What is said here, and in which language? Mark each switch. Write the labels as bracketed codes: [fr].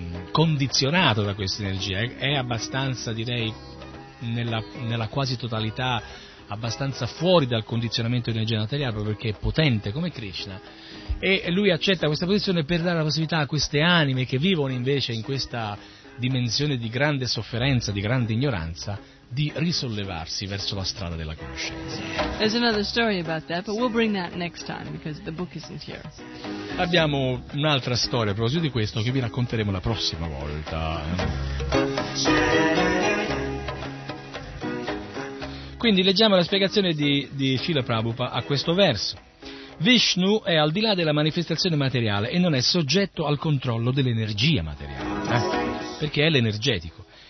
[it] condizionato da questa energia, è abbastanza, direi, nella quasi totalità, abbastanza fuori dal condizionamento di energia materiale, proprio perché è potente come Krishna, e lui accetta questa posizione per dare la possibilità a queste anime che vivono invece in questa dimensione di grande sofferenza, di grande ignoranza, di risollevarsi verso la strada della conoscenza. [en] There's another story about that, but we'll bring that next time because the book isn't here. [it] Abbiamo un'altra storia a proposito di questo che vi racconteremo la prossima volta. Quindi leggiamo la spiegazione di Srila Prabhupada a questo verso. Vishnu è al di là della manifestazione materiale e non è soggetto al controllo dell'energia materiale, perché è l'energetico.